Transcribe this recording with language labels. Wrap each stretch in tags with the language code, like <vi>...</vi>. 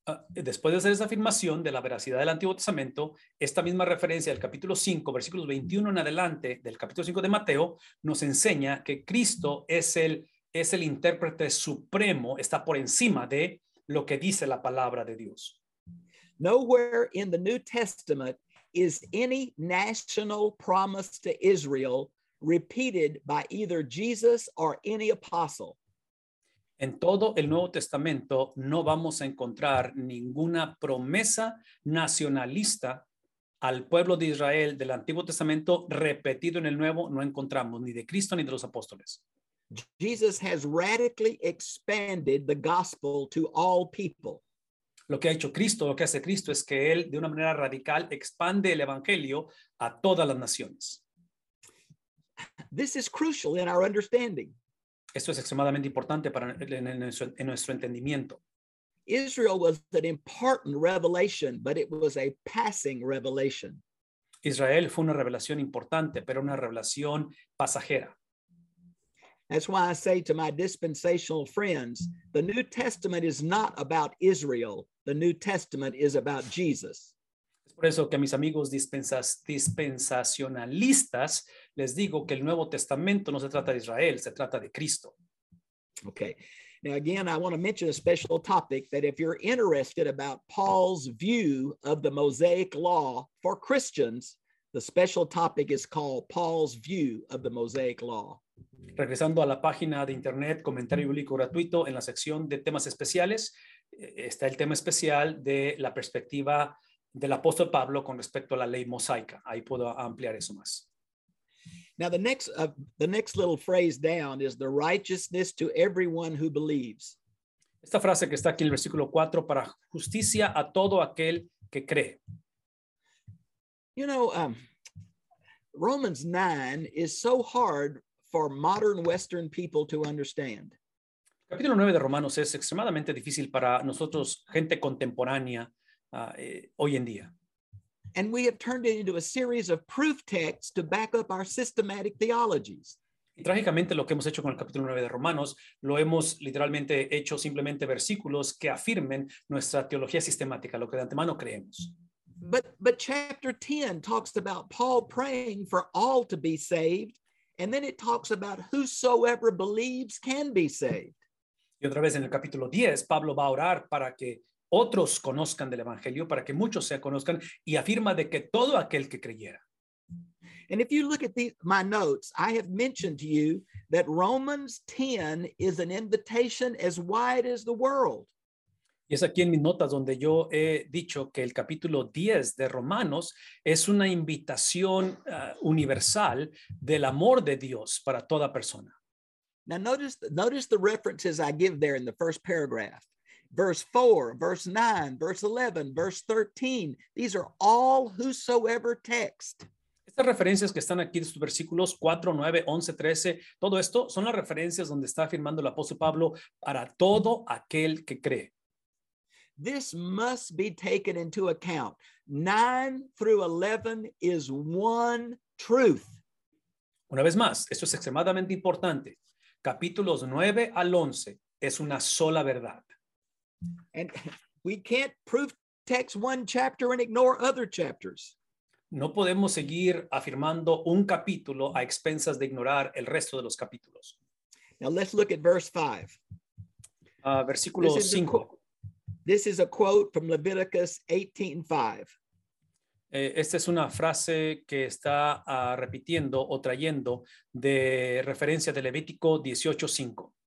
<es>Después de hacer esa afirmación de la veracidad del Antiguo Testamento, esta misma referencia del capítulo 5, versículos 21 en adelante, del capítulo 5 de Mateo, nos enseña que Cristo es el intérprete supremo, está por encima de lo que dice la palabra de Dios.</es> <en>Nowhere in the New Testament is any national promise to Israel repeated by either Jesus or any apostle.</en> <es>En todo el Nuevo Testamento no vamos a encontrar ninguna promesa nacionalista al pueblo de Israel del Antiguo Testamento repetido en el Nuevo, no encontramos ni de Cristo ni de los apóstoles.</es> <en>Jesus has radically expanded the gospel to all people.</en> <es>Lo que ha hecho Cristo, lo que hace Cristo es que él de una manera radical expande el evangelio a todas las naciones.</es> <en>This is crucial in our understanding.</en> <es>Esto es extremadamente importante para en nuestro entendimiento.</es> <en>Israel was an important revelation, but it was a passing revelation.</en> <es>Israel fue una revelación importante, pero una revelación pasajera.</es> <en>That's why I say to my dispensational friends, the New Testament is not about Israel. The New Testament is about Jesus.</en> <es>Es por eso que a mis amigos dispensacionalistas les digo que el Nuevo Testamento no se trata de Israel, se trata de Cristo.</es> <en>Okay. Now again, I want to mention a special topic that if you're interested about Paul's view of the Mosaic Law for Christians, the special topic is called Paul's View of the Mosaic Law.</en> <es>Regresando a la página de internet, comentario bíblico gratuito, en la sección de temas especiales, está el tema especial de la perspectiva del apóstol Pablo con respecto a la ley mosaica. Ahí puedo ampliar eso más.</es> <en>Now the next little phrase down is the righteousness to everyone who believes.</en> <es>Esta frase que está aquí en el versículo 4, para justicia a todo aquel que cree.</es> <en>You know, Romans 9 is so hard for modern Western people to understand.</en> <es>Capítulo 9 de Romanos es extremadamente difícil para nosotros, gente contemporánea, hoy en día.</es> <en>And we have turned it into a series of proof texts to back up our systematic theologies.</en> <es>Y trágicamente lo que hemos hecho con el capítulo 9 de Romanos, lo hemos literalmente hecho simplemente versículos que afirmen nuestra teología sistemática, lo que de antemano creemos.</es> <en>But chapter 10 talks about Paul praying for all to be saved. And then it talks about whosoever believes can be saved.</en> <es>Y otra vez en el capítulo 10, Pablo va a orar para que otros conozcan del evangelio, para que muchos se conozcan, y afirma de que todo aquel que creyera.</es> <en>And if you look at my notes, I have mentioned to you that Romans 10 is an invitation as wide as the world.</en> <es>Y es aquí en mis notas donde yo he dicho que el capítulo 10 de Romanos es una invitación universal del amor de Dios para toda persona.</es> <en>Now notice the references I give there in the first paragraph. Verse 4, verse 9, verse 11, verse 13. These are all whosoever text.</en> <es>Estas referencias que están aquí en estos versículos 4, 9, 11, 13, todo esto son las referencias donde está afirmando el apóstol Pablo para todo aquel que cree.</es> <en>This must be taken into account. 9 through 11 is one truth.</en> <es>Una vez más, esto es extremadamente importante. Capítulos 9 al 11 es una sola verdad.</es> <en>And we can't proof text one chapter and ignore other chapters.</en> <es>No podemos seguir afirmando un capítulo a expensas de ignorar el resto de los capítulos.</es> <en>Now let's look at verse 5.</en> <es>Versículo 5.</es> <en>This is a quote from Leviticus 18:5.</en> <es>Esta es una frase que está repitiendo o trayendo de referencia de Levítico 18:5.</es>